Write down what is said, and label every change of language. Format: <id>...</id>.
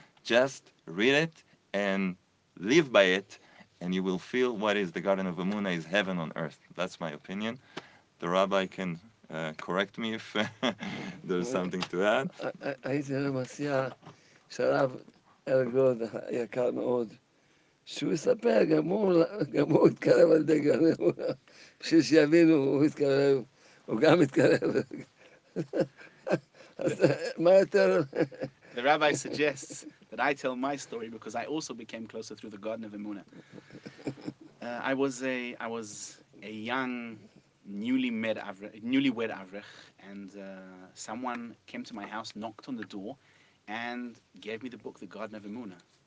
<en>Just read it and live by it, and you will feel what is the Garden of Emunah is heaven on earth. That's my opinion. The rabbi can correct me if there's something to add.</en> <he>שהוא יספר, גם הוא התקרב על ידי גן האמונה. בשביל שיבינו, הוא התקרב, הוא גם התקרב. אז מה יותר?</he> <en>The rabbi suggests that I tell my story because I also became closer through the Garden of Emunah. I was a young, newlywed Avrich, and someone came to my house, knocked on the door, and gave me the book, The Garden of Emunah.</en>